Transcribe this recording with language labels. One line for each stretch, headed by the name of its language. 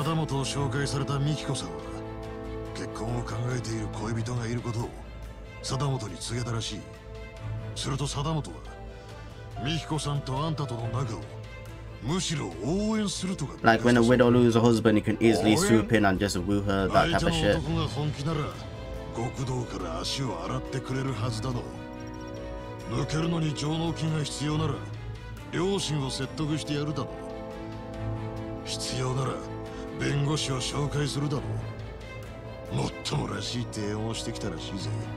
Japanese: 貞元を紹介されたミキコさんは結婚を考えている恋人がいることを貞元に告げたらしい。すると貞元はミキコさんとあんたとの仲をむしろ応援するとか。
English: Like when a widow loses a husband, you can easily swoop in and just woo her, that type of shit.
Japanese: 相手の男が本気なら極道から足を洗ってくれるはずだの。抜けるのに上納金が必要なら両親を説得してやるだの。必要なら弁護士を紹介するだの。もっともらしい提案をしてきたらしいぜ。